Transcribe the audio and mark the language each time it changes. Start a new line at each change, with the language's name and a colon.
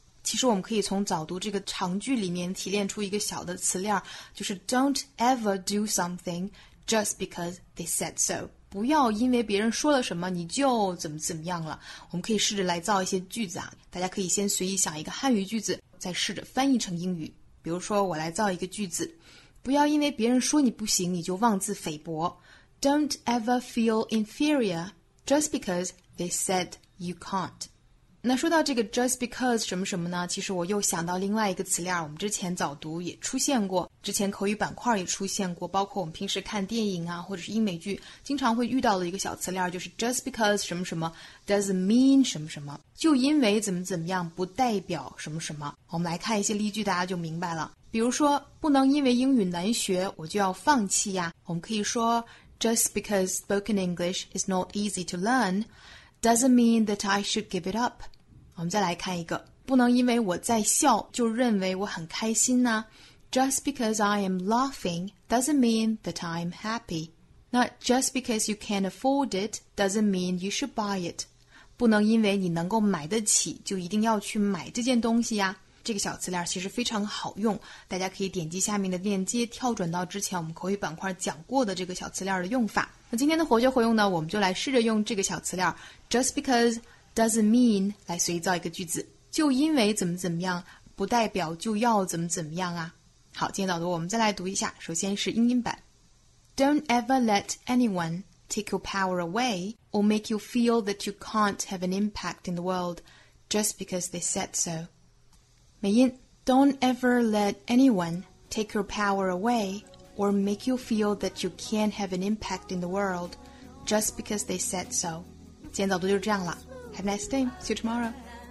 Chinese: 其实我们可以从早读这个长句里面提炼出一个小的词料，就是
English: don't ever do somethingJust because they said so.
Chinese: 不要因为别人说了什么你就怎么怎么样了。我们可以试着来造一些句子啊，大家可以先随意想一个汉语句子，再试着翻译成英语。比如说我来造一个句子，不要因为别人说你不行你就妄自菲薄。
English: Don't ever feel inferior just because they said you can't.
Chinese: 那说到这个
English: just because
Chinese: 什么什么呢，其实我又想到另外一个词料，我们之前早读也出现过，之前口语板块也出现过，包括我们平时看电影啊或者是英美剧经常会遇到的一个小词料，就是 just because 什么什么
English: doesn't mean
Chinese: 什么什么，就因为怎么怎么样不代表什么什么。我们来看一些例句大家就明白了，比如说不能因为英语难学我就要放弃呀，我们可以说
English: just because spoken English is not easy to learn doesn't mean that I should give it up.
Chinese: 我们再来看一个，不能因为我在笑就认为我很开心呢，
English: Just because I am laughing doesn't mean that I'm happy. Not just because you can't afford it doesn't mean you should buy it.
Chinese: 不能因为你能够买得起就一定要去买这件东西呀。这个小词料其实非常好用，大家可以点击下面的链接跳转到之前我们口语板块讲过的这个小词料的用法。那今天的活学活用呢，我们就来试着用这个小词料
English: Just because doesn't mean
Chinese: 来随意造一个句子，就因为怎么怎么样不代表就要怎么怎么样啊。好，今天早读我们再来读一下，首先是英音版。
English: Don't ever let anyone take your power away or make you feel that you can't have an impact in the world just because they said so.
Chinese: 美音，
English: Don't ever let anyone take your power away or make you feel that you can't have an impact in the world just because they said so.
Chinese: 今天早读就是这样了，
English: Have a nice day, see you tomorrow.